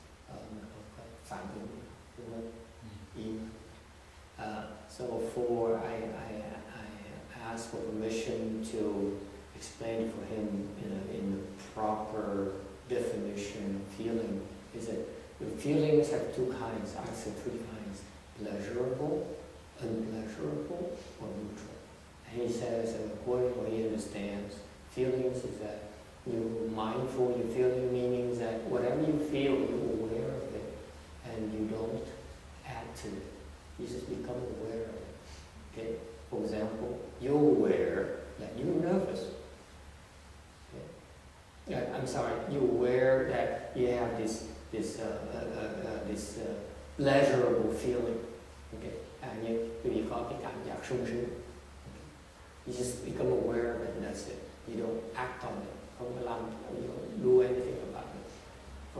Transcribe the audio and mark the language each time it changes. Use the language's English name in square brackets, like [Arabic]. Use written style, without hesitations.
[Vietnamese] mình không có phản ứng, đúng không? [English] So before I ask for permission to explain for him in the proper definition of feeling, is that the feelings have two kinds, actually three kinds, pleasurable, unpleasurable, or neutral. And he says that according to what he understands, feelings is that you're mindful, you feel your meanings, that whatever you feel, you're aware of it, and you don't add to it. You just become aware of it. Okay? For example, you're aware that you're nervous. Okay? I'm sorry, you're aware that you have this pleasurable feeling. Okay? And you call it [Vietnamese] cảm giác sung sướng. [English] You just become aware of it and that's it. You don't act on it. [Vietnamese] Không làm, [English] you don't do anything about it.